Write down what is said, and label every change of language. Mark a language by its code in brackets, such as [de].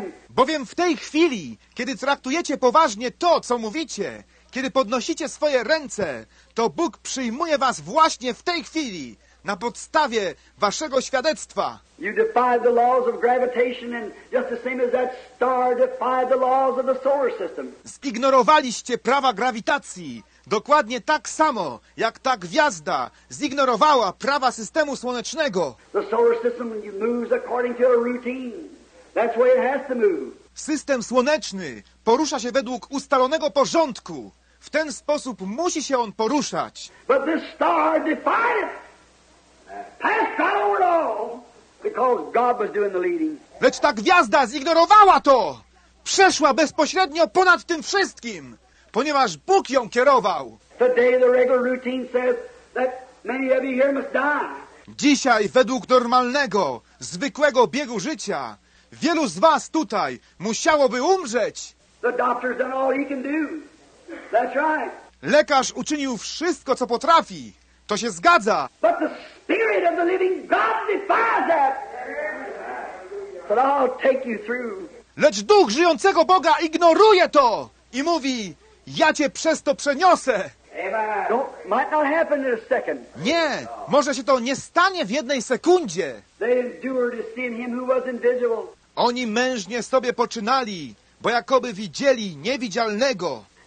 [pl] Bowiem w tej chwili, kiedy traktujecie poważnie to, co mówicie, kiedy podnosicie swoje ręce, to Bóg przyjmuje was właśnie w tej chwili, na podstawie waszego świadectwa. [en] You defied the laws of gravitation and just the same as that star defied the laws of the solar system. [pl] Zignorowaliście prawa grawitacji, dokładnie tak samo, jak ta gwiazda zignorowała prawa systemu słonecznego. [en] The solar system moves according to a routine. That's the way it has to move. [pl] System słoneczny porusza się według ustalonego porządku. W ten sposób musi się on poruszać. [en] But this star defied it. Passed right over it all. Because God was doing the leading. [pl] Lecz ta gwiazda zignorowała to. Przeszła bezpośrednio ponad tym wszystkim, ponieważ Bóg ją kierował. [en] Today the regular routine says that many of you here must die. [pl] Dzisiaj według normalnego, zwykłego biegu życia, wielu z was tutaj musiałoby umrzeć. [en] The doctor's done all he can do. That's right. [pl] Lekarz uczynił wszystko, co potrafi. To się zgadza. [en] But the Spirit of the living God defies that. But I'll take you through. [pl] Lecz Duch żyjącego Boga ignoruje to i mówi, ja cię przez to przeniosę. [en] Might not happen in a second. [pl] Nie, może się to nie stanie w jednej sekundzie. [en] They endured to see him who was invisible. [pl] Oni mężnie sobie poczynali, bo jakoby widzieli niewidzialnego.